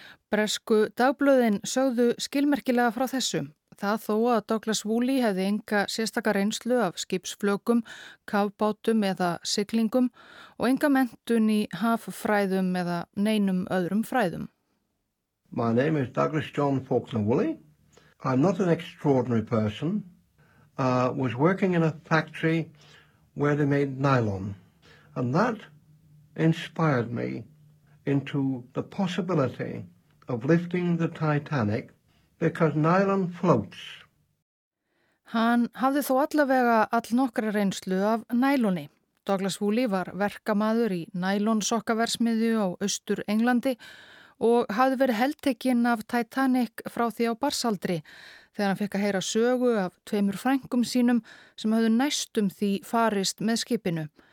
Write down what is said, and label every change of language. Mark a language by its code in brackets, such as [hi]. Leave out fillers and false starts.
[is] Bresku dagblöðin sögðu skilmerkilega frá þessu. Það þó að Douglas Woolley hefði enga sérstaka reynslu af skipsflökum, kafbátum eða siglingum og enga menntun í haffræðum eða neinum öðrum fræðum. [en] My name is Douglas John Faulkner Woolley. I'm not an extraordinary person. Was working in a factory where they made nylon. And that inspired me into the possibility of lifting the Titanic because nylon floats. [is] Hann hafði þó allavega allnokkra reynslu af næloni. Douglas Woolley var verkamaður í nælonsokkaversmiðju á Austur Englandi og hafði verið heltekinn af Titanic frá því á barnsaldri þegar hann fekk að heyra sögu af tveimur frænkum sínum sem höfðu næstum því farist með skipinu.